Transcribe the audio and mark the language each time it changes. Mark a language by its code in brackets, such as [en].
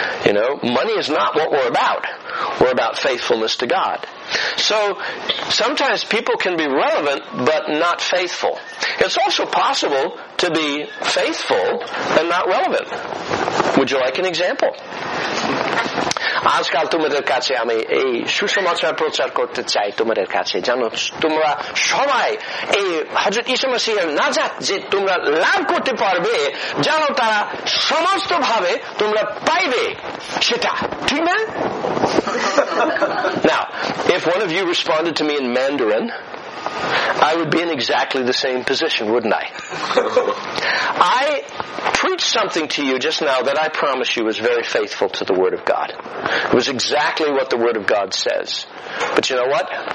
[en] You know, money is not what we're about. We're about faithfulness to God. So, sometimes people can be relevant, but not faithful. It's also possible to be faithful and not relevant. Would you like an example? [bn] আজকাল তোমাদের কাছে আমি এই সুসমাচার প্রচার করতে চাই তোমাদের কাছে, জানো তোমরা সবাই এই হযরত ঈসা মসীহের নাজাত যে তোমরা লাভ করতে পারবে, জানো তারা সমস্ত ভাবে তোমরা পাইবে সেটা, ঠিক না? [en] Now, if one of you responded to me in Mandarin, I would be in exactly the same position, wouldn't I? I preached something to you just now that I promise you is very faithful to the Word of God. It was exactly what the Word of God says. But you know what?